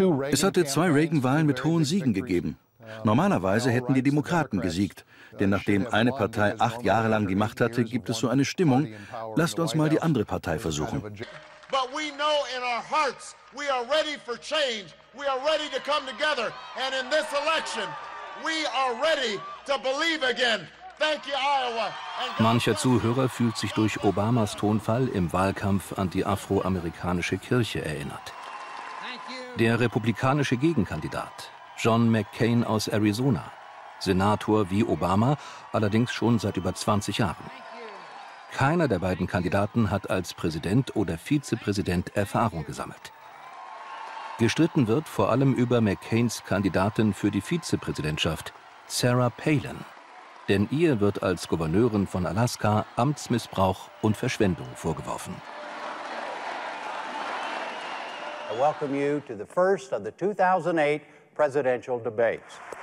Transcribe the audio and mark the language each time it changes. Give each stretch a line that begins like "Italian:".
German: Es hatte zwei Reagan-Wahlen mit hohen Siegen gegeben. Normalerweise hätten die Demokraten gesiegt, denn nachdem eine Partei 8 Jahre lang die Macht hatte, gibt es so eine Stimmung, lasst uns mal die andere Partei versuchen.
English: But we know in our hearts, we are ready for change, we are ready to come together, and in this election, we are ready to believe again. Thank you, Iowa.
German: Mancher Zuhörer fühlt sich durch Obamas Tonfall im Wahlkampf an die afroamerikanische Kirche erinnert. Der republikanische Gegenkandidat, John McCain aus Arizona, Senator wie Obama, allerdings schon seit über 20 Jahren. Keiner der beiden Kandidaten hat als Präsident oder Vizepräsident Erfahrung gesammelt. Gestritten wird vor allem über McCains Kandidatin für die Vizepräsidentschaft, Sarah Palin. Denn ihr wird als Gouverneurin von Alaska Amtsmissbrauch und Verschwendung vorgeworfen.
English: I welcome you to the first of the 2008 presidential debates.